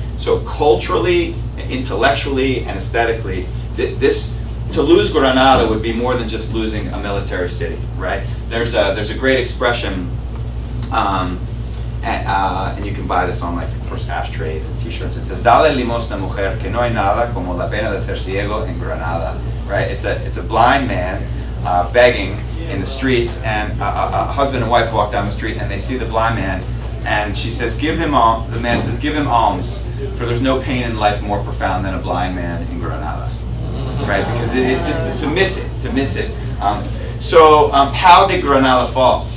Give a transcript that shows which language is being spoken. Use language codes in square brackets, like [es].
[en] So culturally, intellectually, and aesthetically, this to lose Granada would be more than just losing a military city, right? There's a great expression, and you can buy this on, like, of course, ashtrays and t-shirts. It says, [es] "Dale limosna mujer que no hay nada como la pena de ser ciego en Granada." [en] Right? It's a blind man begging in the streets, and a husband and wife walk down the street, and they see the blind man, and she says, the man says, "Give him alms, for there's no pain in life more profound than a blind man in Granada." Right? Because to miss it. How did Granada fall?